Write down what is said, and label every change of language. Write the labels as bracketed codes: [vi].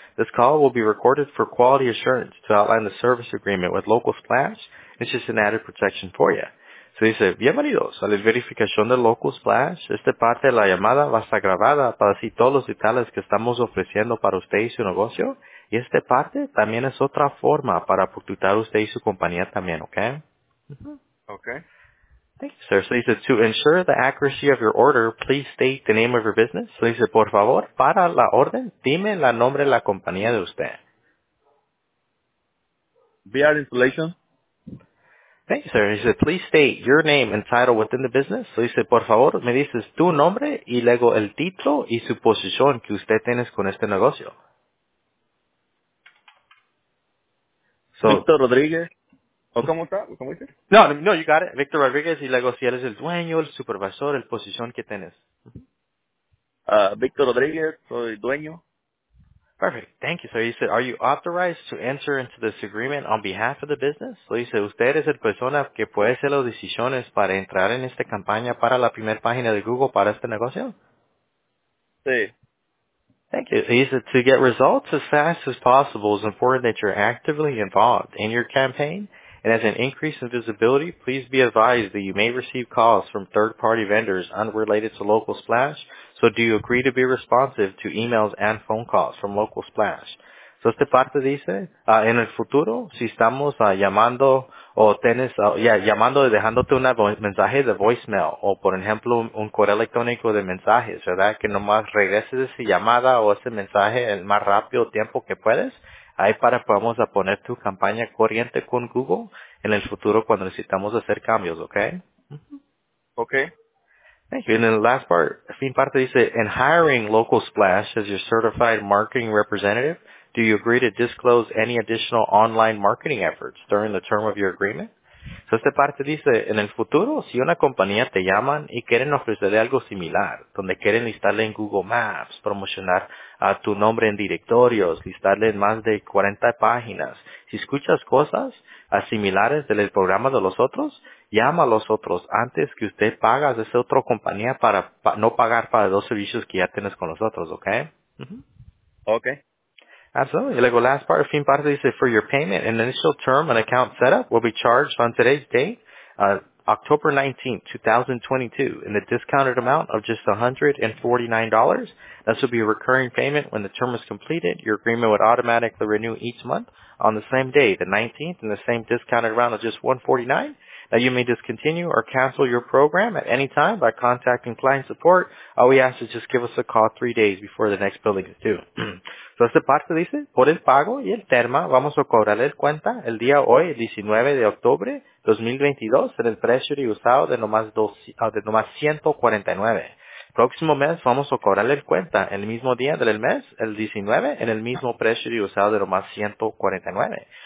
[en] This call will be recorded for quality assurance to outline the service agreement with Local Splash. It's just an added protection for you. [es] Se dice, bienvenidos a la verificación de Local Splash. Esta parte de la llamada va a estar grabada para así todos los detalles que estamos ofreciendo para usted y su negocio. Y esta parte también es otra forma para aportar usted y su compañía también, ¿ok? Uh-huh. Ok. [en] Thank you, sir. [es] Se dice, [en] to ensure the accuracy of your order, please state the name of your business. [es] Se dice, por favor, para la orden, dime el nombre de la compañía de usted. [en] VR Installation. Thank you, sir. He said, please state your name and title within the business. So he said, [es] por favor, me dices tu nombre y luego el título y su posición que usted tienes con este negocio. So, Victor Rodriguez. ¿O cómo está? ¿Cómo dice? [en] No, you got it. [es] Victor Rodriguez y luego si eres el dueño, el supervisor, el posición que tienes. Victor Rodriguez, soy dueño. [en] Perfect. Thank you. So he said, are you authorized to enter into this agreement on behalf of the business? So he said, [es] usted es el persona que puede hacer las decisiones para entrar en esta campaña para la primera página de Google para este negocio? Sí. [en] Thank you. So he said, to get results as fast as possible, it's important that you're actively involved in your campaign. And as an increase in visibility, please be advised that you may receive calls from third-party vendors unrelated to Local Splash. So do you agree to be responsive to emails and phone calls from Local Splash? [es] So esta parte dice, en el futuro, si estamos llamando o tienes, llamando y dejándote un mensaje de voicemail o por ejemplo un correo electrónico de mensajes, ¿verdad? Que nomás regreses esa llamada o ese mensaje el más rápido tiempo que puedes. Ahí para podamos poner tu campaña corriente con Google en el futuro cuando necesitamos hacer cambios, ¿ok? Ok. [en] Thank you. And then the last part, [es] fin parte dice, [en] in hiring Local Splash as your certified marketing representative, do you agree to disclose any additional online marketing efforts during the term of your agreement? [es] So esta parte dice, en el futuro, si una compañía te llaman y quieren ofrecerle algo similar, donde quieren listarle en Google Maps, promocionar a tu nombre en directorios, listarle en más de 40 páginas, si escuchas cosas similares del programa de los otros, llama a los otros antes que usted paga a esa otra compañía para no pagar para dos servicios que ya tienes con los otros, ¿ok? Mm-hmm. Ok. [en] Absolutely. [es] Y luego, [en] last part, [es] fin parte dice, [en] for your payment, an initial term and account setup will be charged on today's date, October 19, 2022, in the discounted amount of just $149. This will be a recurring payment when the term is completed. Your agreement would automatically renew each month on the same day, the 19th, in the same discounted amount of just $149. Now you may discontinue or cancel your program at any time by contacting client support. All we ask is just give us a call 3 days before the next billing is due. [es] So esta parte dice, por el pago y el termo, vamos a cobrarle cuenta el día hoy, el 19 de octubre 2022, en el precio de usado de nomás 149. Próximo mes vamos a cobrarle cuenta el mismo día del mes, el 19, en el mismo precio de usado de nomás 149.